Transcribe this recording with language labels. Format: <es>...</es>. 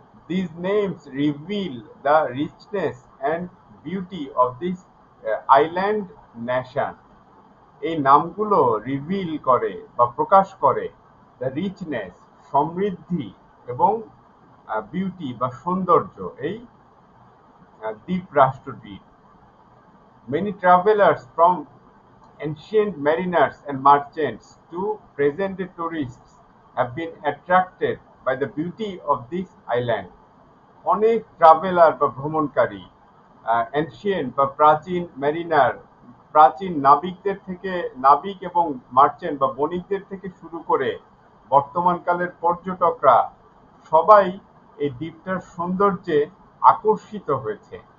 <en>These names reveal the richness and beauty of this island nation.</en> <bn>এই নামগুলো reveal করে বা প্রকাশ করে the richness, সমৃদ্ধি এবং beauty বা সৌন্দর্য এই দ্বীপ রাষ্ট্রটির।</bn> <en>Many travelers from ancient mariners and merchants to present tourists have been attracted by the beauty of this island.</en> <bn>অনেক ট্রাভেলার বা ভ্রমণকারী, এনশিয়েন্ট বা প্রাচীন মেরিনার, প্রাচীন নাবিকদের থেকে, নাবিক এবং মার্চেন্ট বা বণিকদের থেকে শুরু করে বর্তমানকালের পর্যটকরা সবাই এই দ্বীপটার সৌন্দর্যে আকর্ষিত হয়েছে।</bn>